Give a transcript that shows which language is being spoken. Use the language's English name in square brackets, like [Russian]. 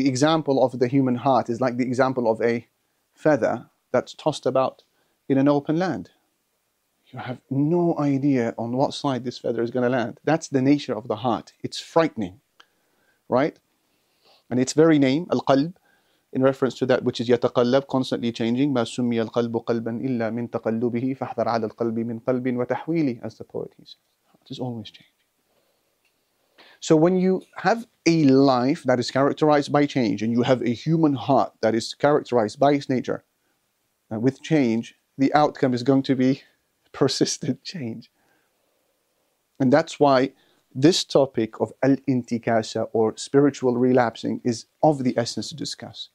[English] The example of the human heart is like the example of a feather that's tossed about in an open land. You have no idea on what side this feather is going to land. That's the nature of the heart. It's frightening, right? And its very name, al-qalb, in reference to that which is yataqallab, constantly changing. [Arabic] مَا سُمِّيَ الْقَلْبُ قَلْبًا إِلَّا مِنْ تَقَلُّبِهِ فَاحْذَرْ عَلَى الْقَلْبِ مِنْ قَلْبٍ وَتَحْوِيلِ, [English] as the poet says. It is always changing. So when you have a life that is characterized by change, and you have a human heart that is characterized by its nature, with change, the outcome is going to be persistent change. And that's why this topic of al-intikasa, or spiritual relapsing, is of the essence to discuss.